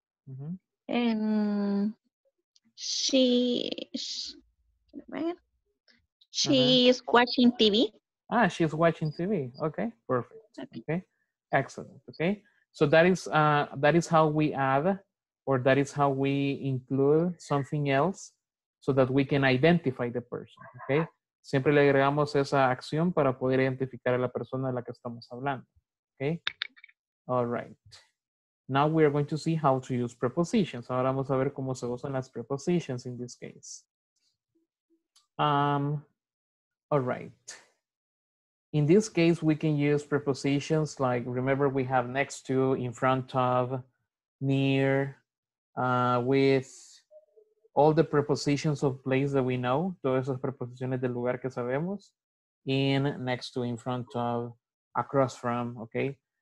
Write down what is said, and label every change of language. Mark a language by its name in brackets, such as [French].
[English] Mm-hmm. She's watching TV. She's watching TV. Okay, perfect. Okay, excellent. Okay, so that is how we add, or that is how we include something else so that we can identify the person, okay? [Spanish] Siempre le agregamos esa acción para poder identificar a la persona de la que estamos hablando. [English] Okay? All right. Now we are going to see how to use prepositions. [Spanish] Ahora vamos a ver cómo se usan las prepositions [English] in this case. All right. In this case, we can use prepositions like, remember we have next to, in front of, near, with, all the prepositions of place that we know, [Spanish] todas esas preposiciones del lugar que sabemos, [English] in, next to, in front of, across from, okay?